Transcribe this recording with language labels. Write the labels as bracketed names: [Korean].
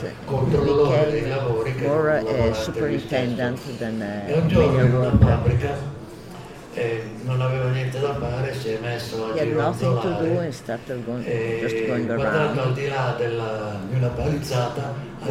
[English] He became more a superintendent than a manual worker. [Italian] Non aveva niente da fare, si è messo a girare. [English] He had nothing to do and started going around. [Italian] Guardando al di là di una palizzata, ha